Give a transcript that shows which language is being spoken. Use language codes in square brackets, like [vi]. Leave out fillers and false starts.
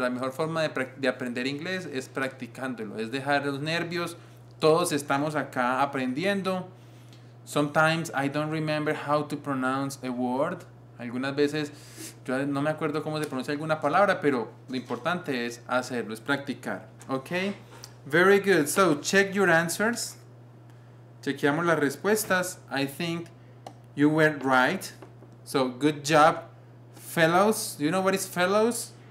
[es] La mejor forma de aprender inglés es practicándolo, es dejar los nervios. Todos estamos acá aprendiendo. [en] Sometimes I don't remember how to pronounce a word. [es] Algunas veces, yo no me acuerdo cómo se pronuncia alguna palabra, pero lo importante es hacerlo, es practicar. [en] Ok, very good. So, check your answers. [es] Chequeamos las respuestas. [en] I think you were right. So, good job, fellows. Do you know what is fellows?